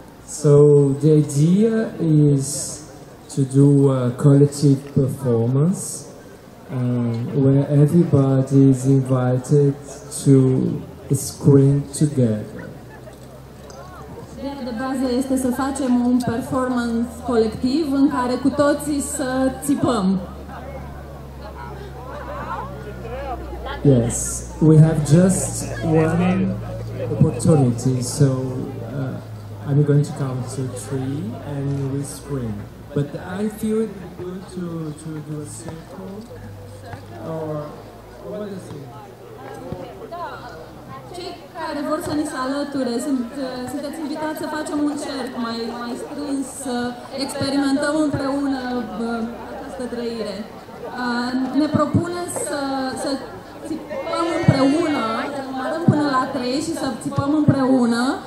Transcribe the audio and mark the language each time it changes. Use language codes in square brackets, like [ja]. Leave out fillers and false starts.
[en] So the idea is to do a collective performance where everybody is invited to scream together. [ro] Ideea de bază este să facem un performance colectiv în care cu toții să țipăm. [en] Yes, we have just one opportunity, so I'm going to count to three and we scream. But I feel it good to do a circle, or what is it? [ro] Cei care vor să ni se alăture, sunteți invitați să facem un cerc mai strâns, să experimentăm împreună această trăire. Ne propune să țipăm împreună, să numărăm până la trei și să țipăm împreună.